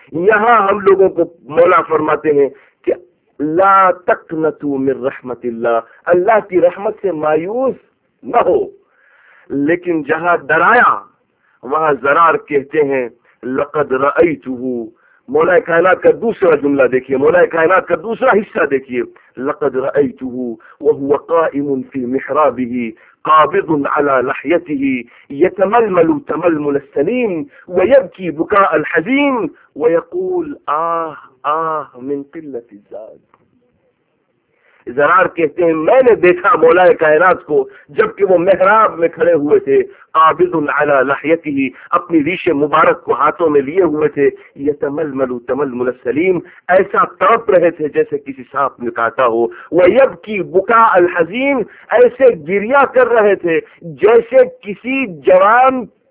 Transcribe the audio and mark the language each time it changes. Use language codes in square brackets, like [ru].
[ur] یہاں ہم لوگوں کو مولا فرماتے ہیں کہ [ar] لا تقنطوا من رحمت اللہ، [ur] اللہ کی رحمت سے مایوس نہ ہو، لیکن جہاں ڈرایا وہاں ضرار کہتے ہیں [ar] لقد رأيته. [ur] مولا کائنات کا دوسرا جملہ دیکھیے، مولا کائنات کا دوسرا حصہ دیکھیے، [ar] لقد رأيته وهو قائم في محرابه قابض على لحيته يتململ تململ السليم ويبكي بكاء الحزين ويقول آه آه من قلة الزاد. [ur] ضرار کہتے ہیں میں نے دیکھا مولا کائنات کو جبکہ وہ محراب میں کھڑے ہوئے تھے، [ar] قابض علی لحیته، [ur] اپنی ریش مبارک کو ہاتھوں میں لیے ہوئے تھے، [ar] یتململ تململ السلیم، [ur] ایسا تڑپ رہے تھے جیسے کسی سانپ نے کاٹا ہو، [ar] ویبکی بکا الحزین، [ur] ایسے گریا کر رہے تھے جیسے کسی جوان